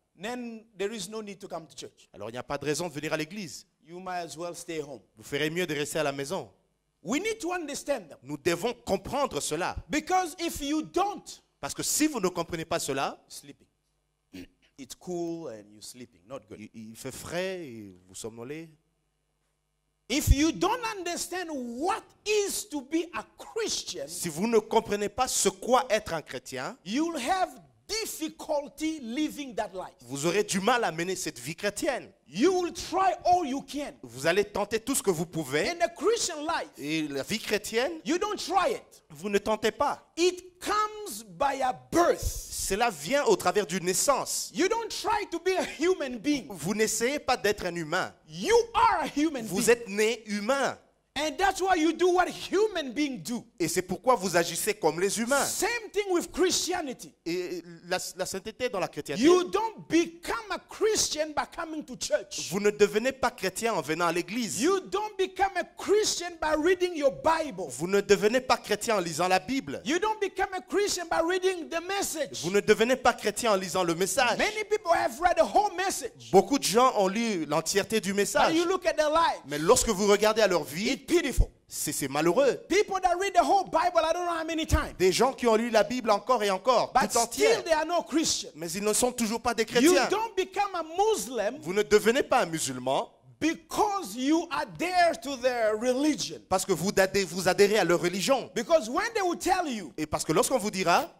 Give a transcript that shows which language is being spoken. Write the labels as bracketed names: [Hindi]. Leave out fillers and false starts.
[English] then there is no need to come to church. [French] Alors il n'y a pas de raison de venir à l'église. [English] You might as well stay home. [French] Vous ferez mieux de rester à la maison. [English] We need to understand them. [French] Nous devons comprendre cela. [English] Because if you don't, [French] parce que si vous ne comprenez pas cela, [English] sleeping. It's cool and you're sleeping. Not good. [French] Il fait frais et vous somnolez. [English] If you don't understand what is to be a Christian, [French] si vous ne comprenez pas ce qu'est être un chrétien, [English] you'll have difficulty living that life. [French] Vous aurez du mal à mener cette vie chrétienne. [English] You will try all you can. [French] Vous allez tenter tout ce que vous pouvez. [English] In a Christian life. [French] Et la vie chrétienne. [English] You don't try it. [French] Vous ne tentez pas. [English] It comes by a birth. [French] Cela vient au travers d'une naissance. [English] You don't try to be a human being. [French] Vous n'essayez pas d'être un humain. [English] You are a human [French] vous [English] being. [French] Êtes né humain. [English] And that's why you do what human beings do. [French] Et c'est pourquoi vous agissez comme les humains. [English] Same thing with Christianity. [French] Et la sainteté dans la chrétienté. [English] You don't become a Christian by coming to church. [French] Vous ne devenez pas chrétien en venant à l'église. [English] You don't become a Christian by reading your Bible. [French] Vous ne devenez pas chrétien en lisant la Bible. [English] You don't become a Christian by reading the message. [French] Vous ne devenez pas chrétien en lisant le message. [English] Many people have read the whole message. [French] Beaucoup de gens ont lu l'entièreté du message. [English] But you look at their life. [French] Mais lorsque vous regardez à leur vie, c'est malheureux. [English] People that read the whole Bible, I don't know how many times. [French] Des gens qui ont lu la Bible encore et encore, [English] but [French] tout entier. [English] Still they are not Christian. [French] Mais ils ne sont toujours pas des chrétiens. [English] You don't become a Muslim. [French] Vous ne devenez pas un musulman. [English] Because you adhere to their religion. [French] Parce que vous adhérez à leur religion. [English] Because when they will tell you. [French] Et parce que lorsqu'on vous dira.